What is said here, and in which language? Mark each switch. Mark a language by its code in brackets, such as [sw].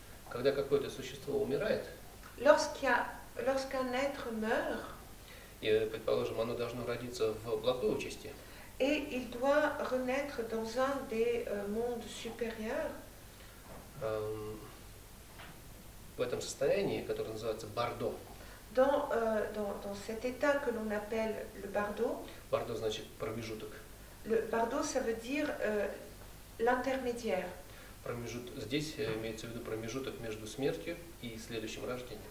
[ru] Когда какое-то существо умирает, [fr] Lorsqu'un être meurt, [ru] и, предположим, оно должно родиться в благой участи. [fr] Et il doit renaître dans un des mondes supérieurs. [ru] В этом состоянии, которое называется бардо. [fr] Dans cet état que l'on appelle le бардо. [ru] Бардо значит промежуток. [fr] Le бардо, ça veut dire l'intermédiaire. [ru] Здесь имеется в виду промежуток между смертью и следующим рождением.